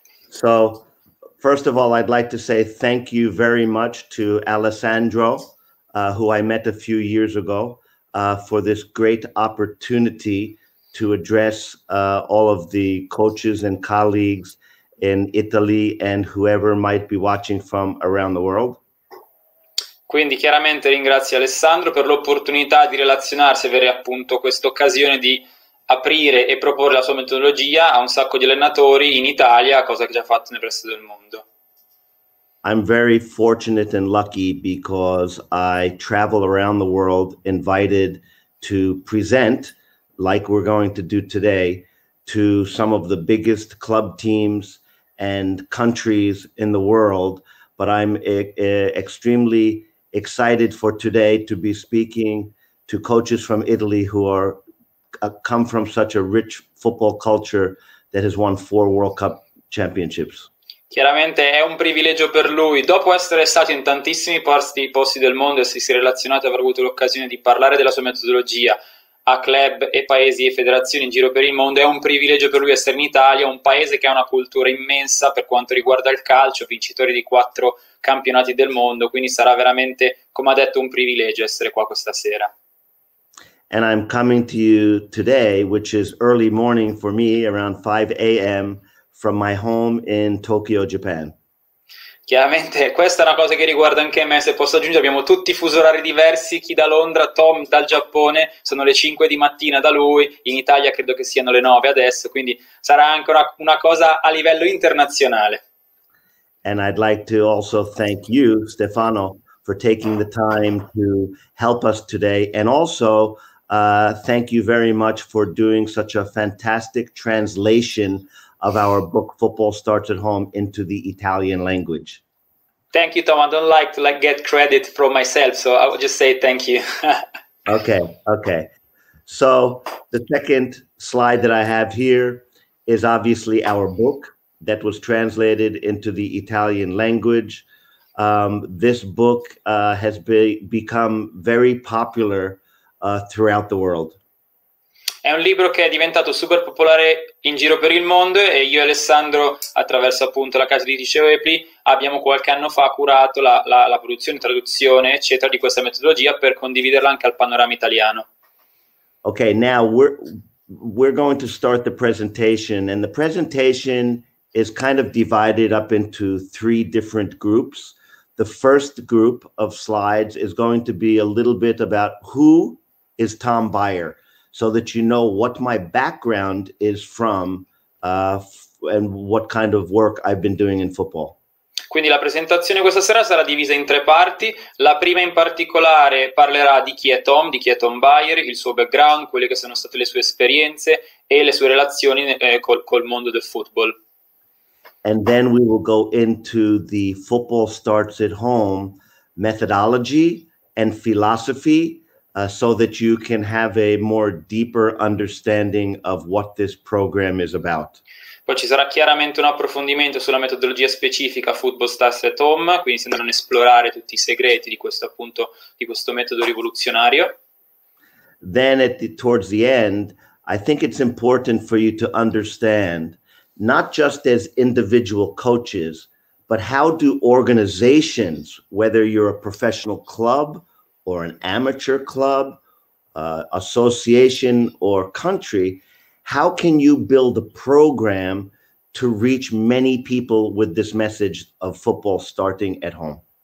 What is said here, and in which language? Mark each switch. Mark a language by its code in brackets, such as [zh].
[en] So, first of all, I'd like to say thank you very much to Alessandro, who I met a few years ago, for this great opportunity to address all of the coaches and colleagues in Italy and whoever might be watching from around the world. [it] Quindi chiaramente ringrazio Alessandro per l'opportunità di relazionarsi, avere appunto questa occasione di aprire e proporre la sua metodologia a un sacco di allenatori in Italia, cosa che già ha fatto nel resto del mondo. [en] I'm very fortunate and lucky because I travel around the world invited to present, like we're going to do today, to some of the biggest club teams and countries in the world. But I'm extremely excited for today to be speaking to coaches from Italy who are come from such a rich football culture that has won four World Cup championships. [it] Chiaramente è un privilegio per lui. Dopo essere stato in tantissimi posti del mondo e essersi relazionato e aver avuto l'occasione di parlare della sua metodologia a a club e paesi e federazioni in giro per il mondo. È un privilegio per lui essere in Italia, un paese che ha una cultura immensa per quanto riguarda il calcio, vincitore di 4 campionati del mondo, quindi sarà veramente, come ha detto, un privilegio essere qua questa sera. [en] And I'm coming to you today, which is early morning for me, around 5 a.m. from my home in Tokyo, Japan. [it] Chiaramente, questa è una cosa che riguarda anche me, se posso aggiungere, abbiamo tutti i fusi orari diversi, chi da Londra, Tom dal Giappone, sono le 5 di mattina da lui, in Italia credo che siano le 9 adesso, quindi sarà anche una cosa a livello internazionale. [en] And I'd like to also thank you, Stefano, for taking the time to help us today. And also, thank you very much for doing such a fantastic translation of our book, Football Starts at Home, into the Italian language. Thank you, Tom. I don't like to get credit for myself, so I will just say thank you. Okay. So the second slide that I have here is obviously our book that was translated into the Italian language. This book has become very popular throughout the world. [it] È un libro che è diventato super popolare in giro per il mondo e io e Alessandro, attraverso appunto la casa editrice Oepli, abbiamo qualche anno fa curato la produzione, traduzione, eccetera, di questa metodologia per condividerla anche al panorama italiano. [en] Okay, now we're going to start the presentation, and the presentation is kind of divided up into three different groups. The first group of slides is going to be a little bit about who is Tom Beyer, so that you know what my background is from, and what kind of work I've been doing in football. [it] Quindi la presentazione questa sera sarà divisa in 3 parti. La prima in particolare parlerà di chi è Tom, di chi è Tom Beyer, il suo background, quelle che sono state le sue esperienze e le sue relazioni col mondo del football. [en] And then we will go into the Football Starts at Home methodology and philosophy, so that you can have a more deeper understanding of what this program is about. [it] Poi ci sarà chiaramente un approfondimento sulla metodologia specifica Football Starts at Home, quindi si andranno a esplorare tutti i segreti di questo, appunto, di questo metodo rivoluzionario. [en] Then towards the end, I think it's important for you to understand, not just as individual coaches, but how do organizations, whether you're a professional club or an amateur club, association or country, how can you build a program to reach many people with this message of football starting at home?